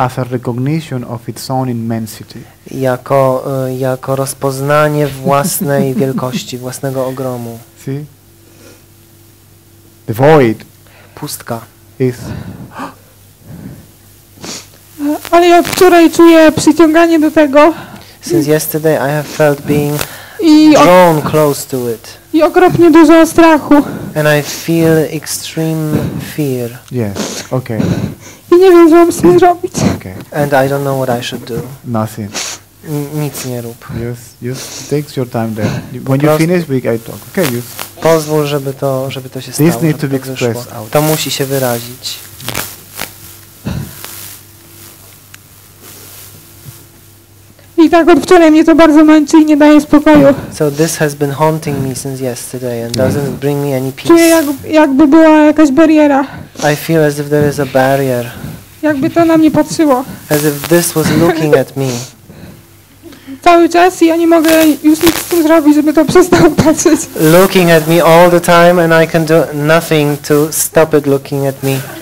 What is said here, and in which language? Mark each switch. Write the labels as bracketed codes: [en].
[en] as a recognition of its own immensity. [pl] Jako rozpoznanie własnej wielkości, własnego ogromu. [en] See? The void. [pl] Pustka. [en] Is. [pl] Ale ja wczoraj czuję przyciąganie do tego. [en] Since yesterday I have felt being drawn close to it. [pl] I okropnie dużo strachu. [en] And I feel extreme fear. Yes. Okay. [pl] I nie wiem, co mam z tym robić. [en] Okay. And I don't know what I should do. Nothing. [pl] Nic nie rób. [en] Just take your time there. When you finish, we can talk. Okay, you. [pl] Pozwól, żeby to się [en] this [pl] stało, [en] need to be expressed out. [pl] To musi się wyrazić. I tak od wczoraj mnie to bardzo męczy i nie daje spokoju. [en] So this has been haunting me since yesterday and doesn't bring me any peace. [pl] Czuję, jakby była jakaś bariera. [en] I feel as if there is a barrier. [pl] Jakby to na mnie patrzyło. [en] As if this was looking at me. [pl] Cały czas i ja nie mogę już nic z tym zrobić, żeby to przestało patrzeć. [en] Looking at me all the time and I can do nothing to stop it looking at me.